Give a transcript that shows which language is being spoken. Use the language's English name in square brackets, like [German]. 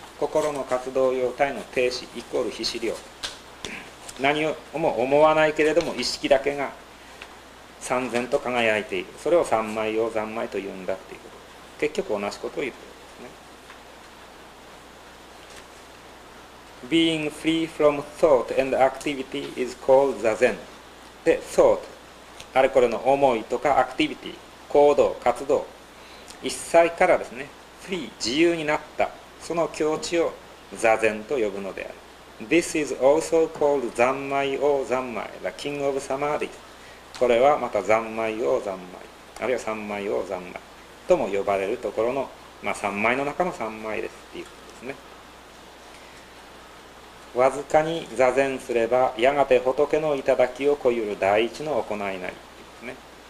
[Japanese] 心の活動様態の停止イコール非思量、何をも思わないけれども意識だけが三千と輝いている、それを三昧を三昧と言うんだっていうこと、結局同じことを言っているんですね。 [English] Being free from thought and activity is called Zazen. [Japanese] で、thoughtあれこれの思いとかアクティビティ、行動、活動、一切からですね、フリー、自由になった、その境地を座禅と呼ぶのである。 [English] This is also called 三昧王三昧、the king of samadhi。 [Japanese] これはまた三昧王三昧、あるいは三昧王三昧とも呼ばれるところの、まあ三昧の中の三昧ですっていうことですね。わずかに座禅すれば、やがて仏の頂きをこゆる第一の行いなりって言うんですね。